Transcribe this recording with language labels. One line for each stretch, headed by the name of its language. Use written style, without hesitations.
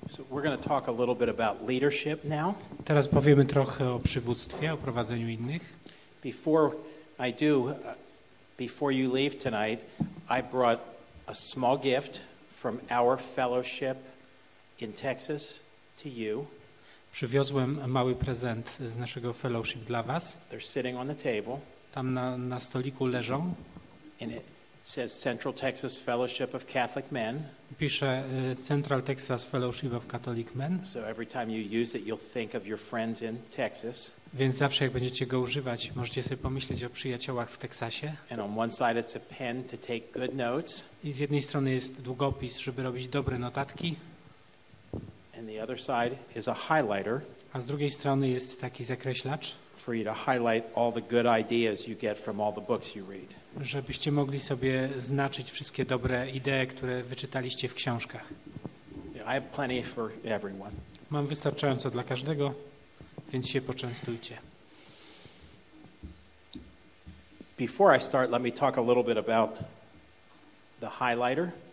English: we're going to talk a little bit about leadership now.
Polish: Teraz powiemy trochę o przywództwie, o prowadzeniu innych.
English: Before I do, before you leave tonight, I brought a small gift from our fellowship in Texas to you.
Polish: Przywiozłem mały prezent z naszego fellowship dla was.
English: They're sitting on the table.
Polish: Tam na stoliku leżą.
English: And it says Central Texas Fellowship of Catholic Men.
Polish: Pisze Central Texas Fellowship of Catholic Men.
English: So every time you use it, you'll think of your friends in Texas.
Polish: Więc zawsze jak będziecie go używać, możecie sobie pomyśleć o przyjaciołach w Teksasie.
English: And on one side it's a pen to take good notes.
Polish: I z jednej strony jest długopis, żeby robić dobre notatki.
English: And the other side is a highlighter.
Polish: A z drugiej strony jest taki zakreślacz.
English: For you to highlight all the good ideas you get from all the books you read.
Polish: Żebyście mogli sobie znaczyć wszystkie dobre idee, które wyczytaliście w książkach.
English: I have plenty for everyone.
Polish: Mam wystarczająco dla każdego, więc się poczęstujcie.
English: Before I start, let me talk a little bit about the highlighter.